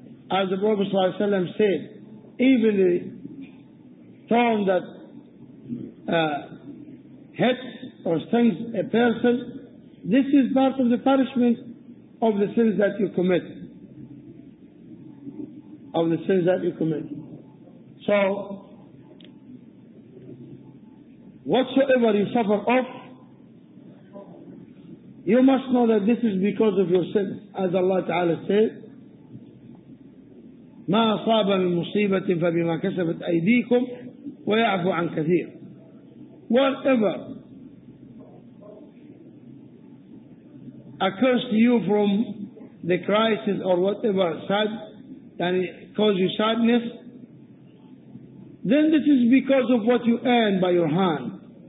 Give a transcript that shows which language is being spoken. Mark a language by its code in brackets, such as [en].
[en] As the Prophet ﷺ said, even the thorn that hits or stings a person, this is part of the punishment of the sins that you commit. Of the sins that you commit. So, whatsoever you suffer of, you must know that this is because of your sins. As Allah Ta'ala said, [ar] مَا أَصَابَ مِنْ مُصِيبَةٍ فَبِمَا كَسَبَتْ أَيْدِيكُمْ وَيَعْفُ عَنْ كَثِيرٍ. [en] Whatever occurs to you from the crisis or whatever sad and cause you sadness, then this is because of what you earn by your hand.